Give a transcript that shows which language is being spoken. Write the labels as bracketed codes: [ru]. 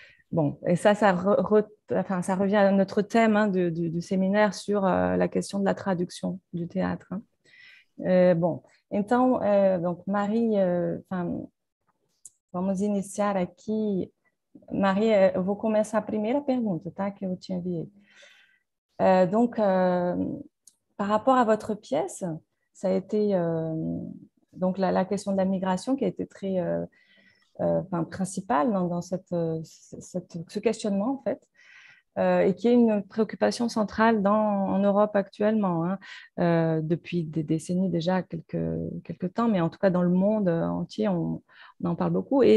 [fr] Bon, et enfin, ça revient à notre thème, hein, du séminaire sur la question de la traduction du théâtre, hein. [pt] Bon, então, donc, Marie, vamos iniciar aqui. Marie, eu vou começar a primeira pergunta, tá, que eu te enviei. [fr] Par rapport à votre pièce, ça a été donc la question de la migration qui a été très principale dans ce questionnement, en fait, et qui est une préoccupation centrale en Europe actuellement, hein, depuis des décennies déjà, quelques temps, mais en tout cas dans le monde entier, on en parle beaucoup.